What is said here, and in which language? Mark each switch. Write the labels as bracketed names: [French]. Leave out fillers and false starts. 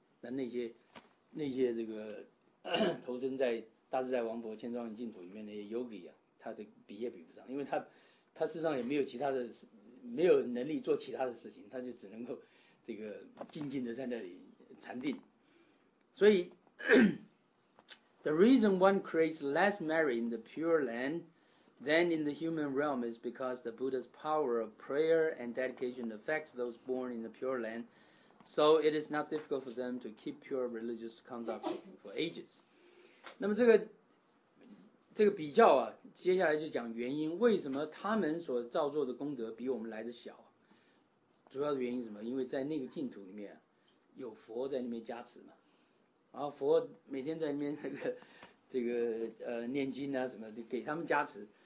[Chinese] 那那些这个投身在大自在王佛千庄严净土里面那些 yogi 啊，他的比也比不上，因为他事实上也没有其他的，没有能力做其他的事情，他就只能够这个静静的在那里禅定。 [English] 所以the reason one creates less merit in the pure landThen in the human realm is because the Buddha's power of prayer and dedication affects those born in the pure land, so it is not difficult for them to keep pure religious conduct for ages. [Chinese] 那么这个比较啊，接下来就讲原因，为什么他们所造作的功德比我们来的小？主要的原因是什么？因为在那个净土里面、啊，有佛在那边加持嘛，然后佛每天在那边这个念经啊什么的，给他们加持。